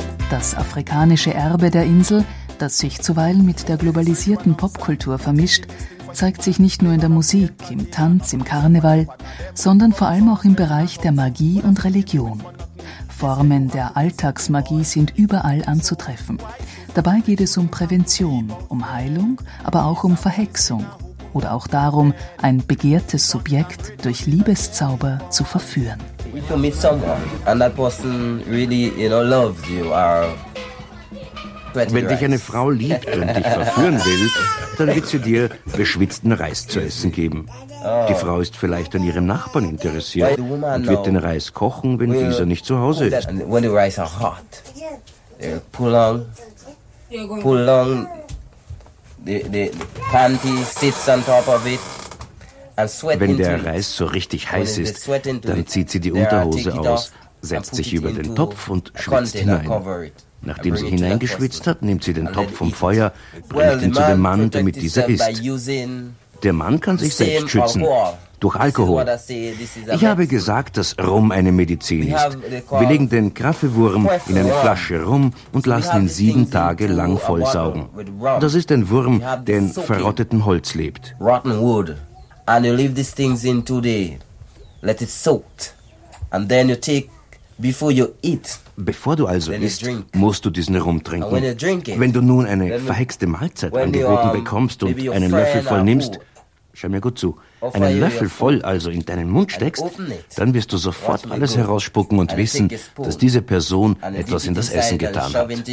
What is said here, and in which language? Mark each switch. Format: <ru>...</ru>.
<de>Das afrikanische Erbe der Insel, das sich zuweilen mit der globalisierten Popkultur vermischt, zeigt sich nicht nur in der Musik, im Tanz, im Karneval, sondern vor allem auch im Bereich der Magie und Religion. Formen der Alltagsmagie sind überall anzutreffen. Dabei geht es um Prävention, um Heilung, aber auch um Verhexung oder auch darum, ein begehrtes Subjekt durch Liebeszauber zu verführen.</de> <en>If you meet someone and that person really, you know, loves you, or...</en> <de>Wenn dich eine Frau liebt und dich verführen will, dann wird sie dir beschwitzten Reis zu essen geben. Die Frau ist vielleicht an ihrem Nachbarn interessiert und wird den Reis kochen, wenn dieser nicht zu Hause ist.</de> <en>When the rice are hot, pull on the panty sits on top of it.</en> <de>Wenn der Reis so richtig heiß ist, dann zieht sie die Unterhose aus, setzt sich über den Topf und schwitzt hinein. Nachdem sie hineingeschwitzt hat, nimmt sie den Topf vom Feuer, bringt ihn zu dem Mann, damit dieser isst. Der Mann kann sich selbst schützen durch Alkohol. Ich habe gesagt, dass Rum eine Medizin ist. Wir legen den Kraffewurm in eine Flasche Rum und lassen ihn 7 Tage lang vollsaugen. Das ist ein Wurm, der in verrottetem Holz lebt.</de> <en>And you leave these things in 2 days, let it soak, and then you take, before you eat.</en> <de>Bevor du also isst, musst du diesen Rum trinken.</de> <en>And when you drink it,</en> <de>wenn du nun eine verhexte Mahlzeit angeboten bekommst und einen Löffel voll nimmst, schau mir gut zu, einen Löffel voll also in deinen Mund steckst, dann wirst du sofort alles herausspucken und wissen, dass diese Person etwas in das Essen getan hat.</de>